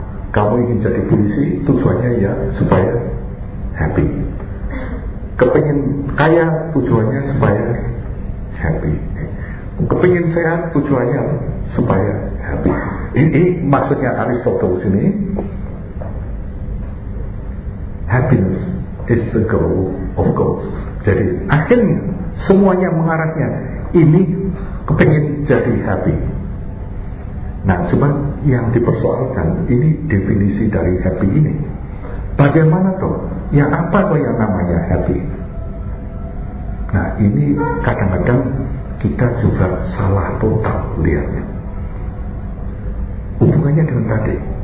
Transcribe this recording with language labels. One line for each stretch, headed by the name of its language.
Indonesian: Kamu ingin jadi polisi, tujuannya ya supaya happy. Kepengen kaya, tujuannya supaya happy. Kepengen sehat, tujuannya supaya happy. Ini maksudnya Aristotle sini.
English: Happiness is the goal of goals.
Indonesian: Jadi akhirnya semuanya mengarahnya ini kepengen jadi happy. Nah, cuma yang dipersoalkan ini definisi dari happy ini. Bagaimana toh? Ya apa toh yang namanya happy? Nah, ini kadang-kadang kita juga salah total lihatnya. Hubungannya dengan tadi.